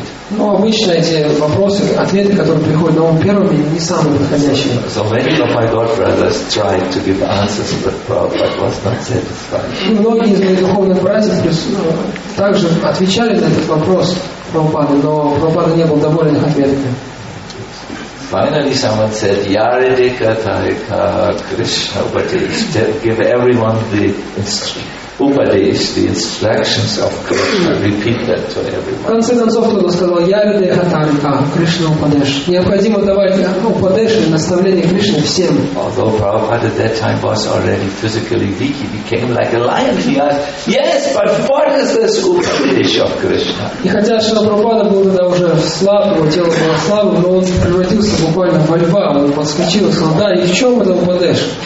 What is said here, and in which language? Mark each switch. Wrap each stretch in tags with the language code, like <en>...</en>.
<ru>Но обычно эти вопросы, ответы, которые приходят на ум первыми, не самые подходящие.</ru> <en>So many of my god brothers tried to give answers, but Prabhupada was not satisfied.</en> <ru>Многие из моих духовных братьев также отвечали на этот вопрос Прабхупаде, но Прабхупада не был доволен их ответами.</ru> <en>Finally, someone said,</en> <bn>"Yarede katha Krishna upadesh."</bn> <en>Give everyone the upadesh, the instructions of Krishna. Repeat that to everyone.</en> <ru>В конце концов кто-то сказал,</ru> <bn>"Yarede katha Krishna upadesh."</bn> <ru>Необходимо давать упадеш и наставление Кришны всем.</ru> <en>Although Prabhupada at that time was already physically weak, he became like a lion. He asked, "Yes, but what is this upadesh of Krishna?"</en> <ru>И хотя Шрила Прабхупада был тогда уже слаб, его тело было слабым, но он превратился буквально во льва, он подскочил и сказал, да, и в чем это упадешь?</ru>